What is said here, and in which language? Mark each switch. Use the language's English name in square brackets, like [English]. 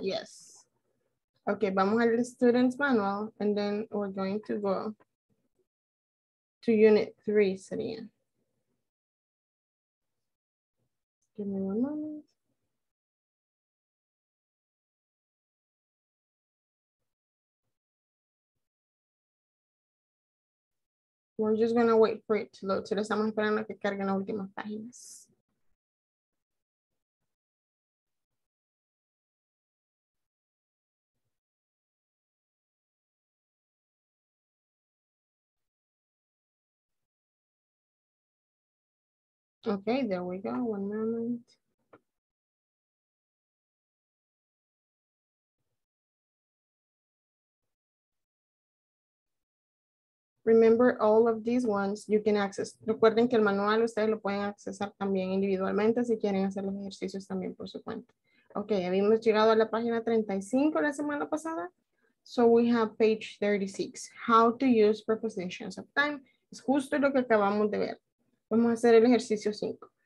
[English] Yes. Okay, [Spanish] vamos al [English] student's manual and then we're going to go to unit 3 [Spanish] sería. [English] Give me one moment. We're just gonna wait for it to load. [Spanish] Solo estamos esperando que carguen las últimas páginas. [English] Okay, there we go. One moment. Remember all of these ones you can access. [Spanish] Recuerden que el manual ustedes lo pueden accesar también individualmente si quieren hacer los ejercicios también por su cuenta. Okay, habíamos llegado a la página 35 la semana pasada. [English] So we have page 36. How to use prepositions of time. [Spanish] Es justo lo que acabamos de ver. Vamos a hacer el ejercicio 5.